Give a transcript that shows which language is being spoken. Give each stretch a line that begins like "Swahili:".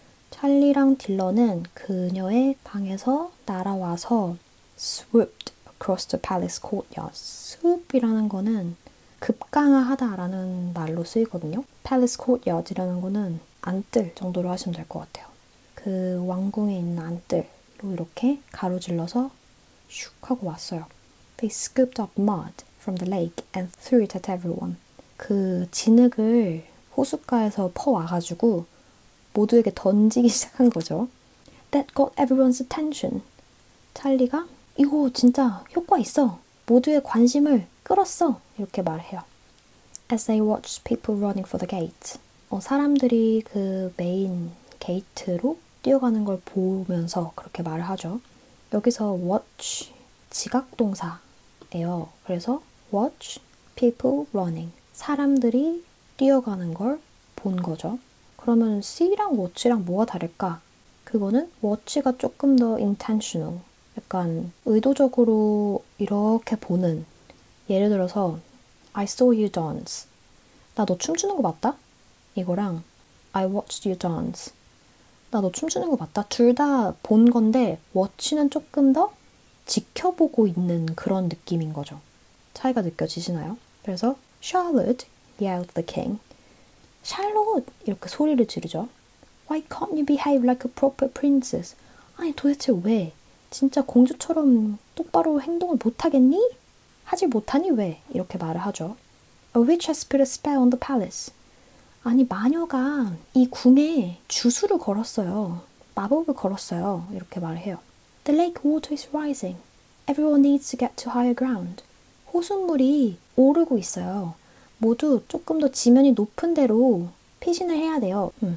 Korean: 찰리랑 딜런은 그녀의 방에서 날아와서
English: swooped across the palace courtyard.
Korean: swoop이라는 거는 급강하다 라는 말로 쓰이거든요. palace courtyard이라는 거는 안뜰 정도로 하시면 될 것 같아요. 그 왕궁에 있는 안뜰로 이렇게 가로질러서 슉 하고 왔어요.
English: They scooped up mud from the lake and threw it at everyone.
Korean: 그 진흙을 호숫가에서 퍼와가지고 모두에게 던지기 시작한 거죠.
English: That got everyone's attention.
Korean: 찰리가 이거 진짜 효과 있어. 모두의 관심을 끌었어. 이렇게 말해요.
English: As they watched people running for the gate.
Korean: 사람들이 그 메인 게이트로 뛰어가는 걸 보면서 그렇게 말을 하죠. 여기서 watch 지각동사 돼요. 그래서
English: watch people running.
Korean: 사람들이 뛰어가는 걸 본 거죠. 그러면 see랑 watch랑 뭐가 다를까? 그거는 watch가 조금 더 intentional. 약간 의도적으로 이렇게 보는. 예를 들어서
English: I saw you dance.
Korean: 나 너 춤추는 거 맞다? 이거랑
English: I watched you dance.
Korean: 나 너 춤추는 거 맞다? 둘 다 본 건데 watch는 조금 더 지켜보고 있는 그런 느낌인 거죠. 차이가 느껴지시나요? 그래서
English: Charlotte yelled the king.
Korean: Charlotte 이렇게 소리를 지르죠.
English: Why can't you behave like a proper princess?
Korean: 아니 도대체 왜? 진짜 공주처럼 똑바로 행동을 못하겠니? 하지 못하니 왜? 이렇게 말을 하죠. A witch has put a spell on the palace. 아니 마녀가 이 궁에 주술을 걸었어요. 마법을 걸었어요. 이렇게 말을 해요.
English: The lake water is rising. Everyone needs to get to higher ground.
Korean: 호수물이 오르고 있어요. 모두 조금 더 지면이 높은 데로 피신을 해야 돼요.